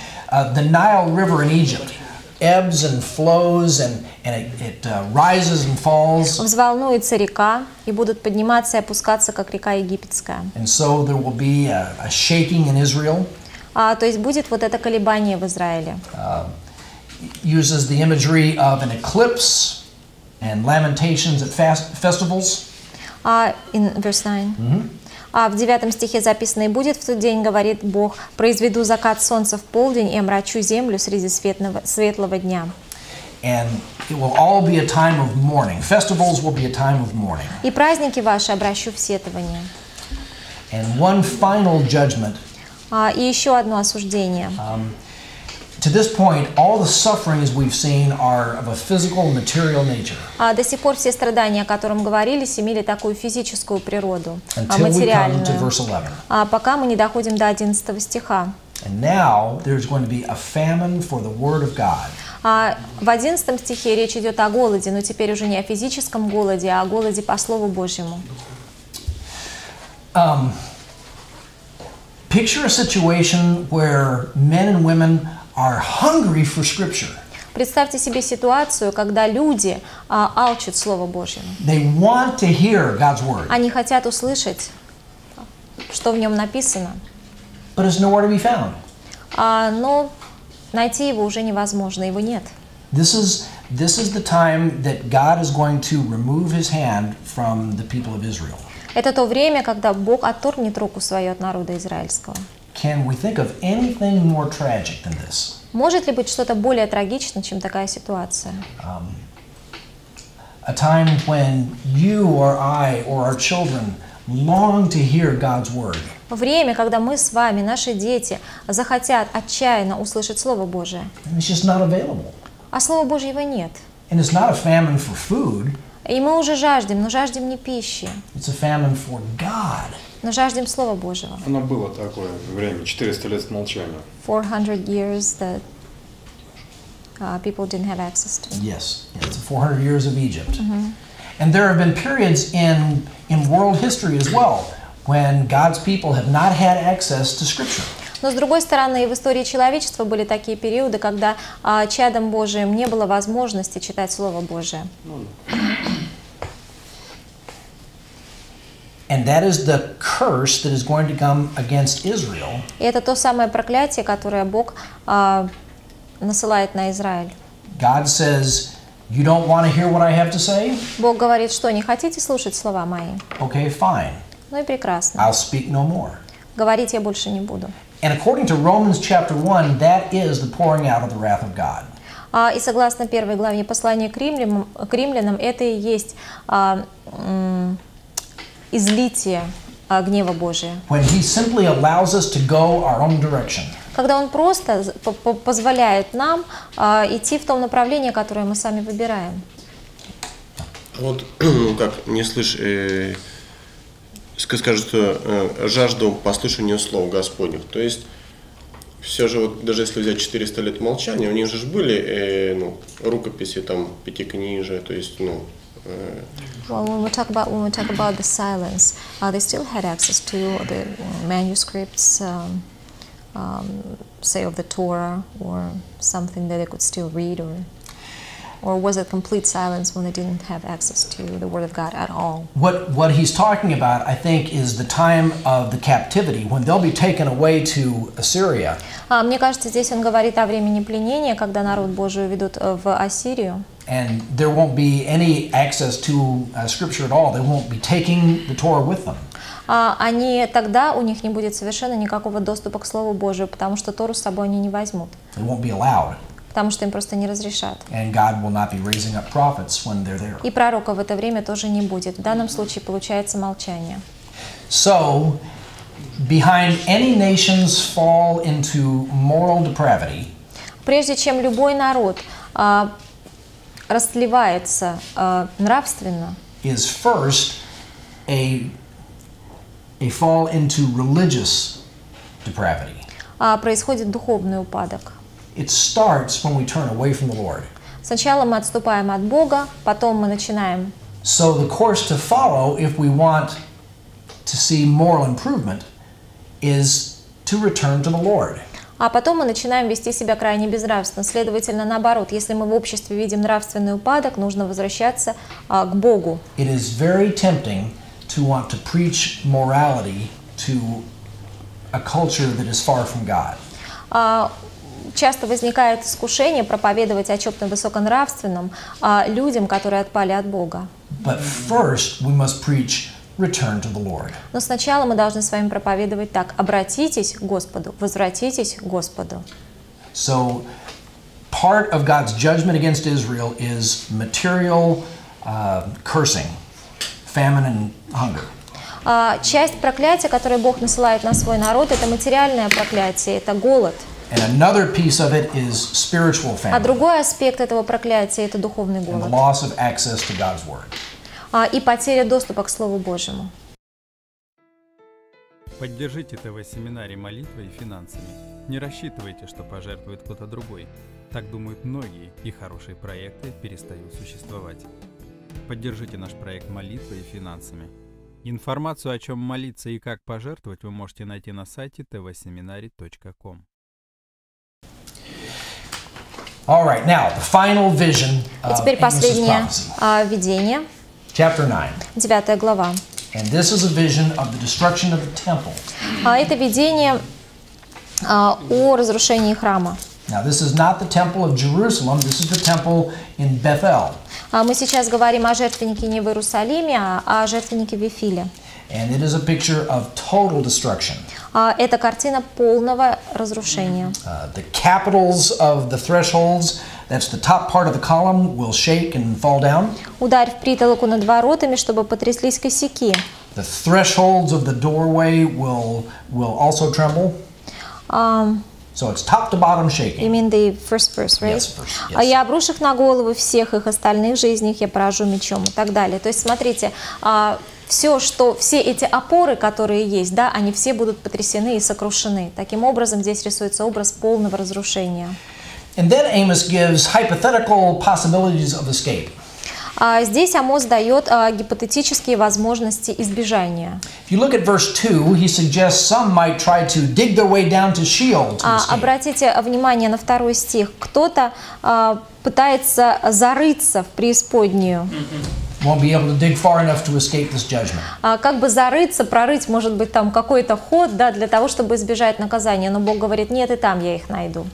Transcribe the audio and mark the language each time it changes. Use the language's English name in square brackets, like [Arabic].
[English] The Nile River in Egypt ebbs and flows and it rises and falls. [Russian] Взволнуется река и будут подниматься и опускаться, как река египетская. [English] And so there will be a shaking in Israel. [Russian] То есть будет вот это колебание в Израиле. [English] Uses the imagery of an eclipse and lamentations at festivals. In verse 9. [Russian] В девятом стихе записано, и будет в тот день, говорит Бог, произведу закат солнца в полдень и омрачу землю среди светлого дня. [English] And it will all be a time of mourning. Festivals will be a time of mourning. [Russian] И праздники ваши обращу в сетование. [English] And one final judgment. [Russian] И еще одно осуждение. [English] To this point, all the sufferings we've seen are of a physical, material nature. [Russian] До сих пор все страдания, о котором говорили, имели такую физическую природу, материальную. [English] Until we come to verse 11. [Russian] Пока мы не доходим до 11 стиха. [English] And now there's going to be a famine for the word of God. [Russian] В 11 стихе речь идет о голоде, но теперь уже не о физическом голоде, а о голоде по Слову Божьему. [English] Picture a situation where men and women are hungry for scripture. [Russian] Представьте себе ситуацию, когда люди алчут Слово Божье. [English] They want to hear God's word. [Russian] Они хотят услышать, что в нем написано. [English] But it's nowhere to be found. [Russian] Но найти его уже невозможно, его нет. [English] This is the time that God is going to remove his hand from the people of Israel. [Russian] Это то время, когда Бог отторгнет руку свою от народа израильского. [English] Can we think of anything more tragic than this? [Russian] Может ли быть что-то более трагичное, чем такая ситуация? [English] A time when you or I or our children long to hear God's word. [Russian] Время, когда мы с вами, наши дети, захотят отчаянно услышать Слово Божие. [English] And it's just not available. [Russian] А Слова Божьего нет. [English] And it's not a famine for food. [Russian] И мы уже жаждем, но жаждем не пищи. [English] It's a famine for God. [Russian] Но жаждем Слова Божьего. Оно было такое время, 400 лет молчания. [English] 400 years that people didn't have access to. Yes, it's 400 years of Egypt. And there have been periods in world history as well when God's people have not had access to Scripture. [Russian] Но с другой стороны, и в истории человечества были такие периоды, когда чадом Божиим не было возможности читать Слово Божие. [English] And that is the curse that is going to come against Israel. [Russian] Это то самое проклятие, которое Бог насылает на Израиль. [English] God says, "You don't want to hear what I have to say?" [Russian] Бог говорит, что не хотите слушать слова мои. [English] Okay, fine. [Russian] Ну и прекрасно. [English] I'll speak no more. [Russian] Говорить я больше не буду. [English] And according to Romans chapter 1, that is the pouring out of the wrath of God. [Russian] И согласно первой главе послания к римлянам, это и есть излитие гнева Божия. [English] When he simply allows us to go our own direction. [Russian] Когда он просто позволяет нам идти в том направлении, которое мы сами выбираем. Вот, как не слышь, скажет, жажду послушания слов Господних. То есть, все же, вот, даже если взять 400 лет молчания, у них же были рукописи, там, пятикнижие, то есть, [English] Well, when we talk about the silence, they still had access to the manuscripts, say of the Torah or something that they could still read, or was it complete silence when they didn't have access to the Word of God at all? What he's talking about, I think, is the time of the captivity when they'll be taken away to Assyria. [Russian] Мне кажется, здесь он говорит о времени пленения, когда народ Божий уведут в Ассирию. [English] And there won't be any access to scripture at all. They won't be taking the Torah with them. [Russian] Они тогда у них не будет совершенно никакого доступа к Слову Божию, потому что Тору с собой они не возьмут. [English] They won't be allowed. [Russian] Потому что им просто не разрешат. [English] And God will not be raising up prophets when they're there. [Russian] И пророка в это время тоже не будет. В данном случае получается молчание. [English] So, behind any nation's fall into moral depravity, [Russian] прежде чем любой народ растлевается нравственно, [English] is first a fall into religious depravity. [Russian] происходит духовный упадок. [English] It starts when we turn away from the Lord. [Russian] Сначала мы отступаем от Бога, потом мы начинаем. [English] So the course to follow, if we want to see moral improvement, is to return to the Lord. [Russian] А потом мы начинаем вести себя крайне безнравственно. Следовательно, наоборот, если мы в обществе видим нравственный упадок, нужно возвращаться к Богу. [English] It is very tempting to want to preach morality to a culture that is far from God. [Russian] Часто возникает искушение проповедовать о чем-то высоконравственном людям, которые отпали от Бога. [English] But first we must preach return to the Lord. [Russian] Но сначала мы должны с вами проповедовать так: обратитесь к Господу, возвратитесь к Господу. [English] So part of God's judgment against Israel is material cursing, famine and hunger. [Russian] Часть проклятия, которое Бог насылает на свой народ, это материальное проклятие, это голод. [English] And another piece of it is spiritual famine. [Russian] А другой аспект этого проклятия — это духовный голод. [English] And the loss of access to God's word. [Russian] И потеря доступа к Слову Божьему. Поддержите ТВ-семинарий молитвой и финансами. Не рассчитывайте, что пожертвует кто-то другой. Так думают многие, и хорошие проекты перестают существовать. Поддержите наш проект молитвой и финансами. Информацию, о чем молиться и как пожертвовать, вы можете найти на сайте tvseminary.com. [English] All right, now the final vision. [Russian] И теперь последнее видение. [English] Chapter 9. [Russian] Девятая глава. [English] And this is a vision of the destruction of the temple. [Russian] Это видение о разрушении храма. [English] Now this is not the temple of Jerusalem. This is the temple in Bethel. [Russian] Мы сейчас говорим о жертвеннике не в Иерусалиме, а о жертвеннике в Вифиле. [English] And it is a picture of total destruction. [Russian] Это картина полного разрушения. [English] The capitals of the thresholds, that's the top part of the column, will shake and fall down. [Russian] Ударь в притолоку над воротами, чтобы потряслись косяки. [English] The thresholds of the doorway will also tremble. So it's top to bottom shaking. You mean the first verse, right? Yes, first. Yes. [Russian] А я обрушу их на головы всех их остальных жизней, я поражу мечом и так далее. То есть смотрите, все эти опоры, которые есть, да, они все будут потрясены и сокрушены. Таким образом, здесь рисуется образ полного разрушения. [English] And then Amos gives hypothetical possibilities of escape. [Russian] Здесь Амос дает гипотетические возможности избежания. [English] If you look at verse 2, he suggests some might try to dig their way down to Sheol to escape. [Russian] Обратите внимание на второй стих. Кто-то пытается зарыться в преисподнюю. [English] Won't be able to dig far enough to escape this judgment. [Russian] Как бы зарыться, прорыть, может быть, там какой-то ход, да, для того, чтобы избежать наказания. Но Бог говорит: нет, и там я их найду.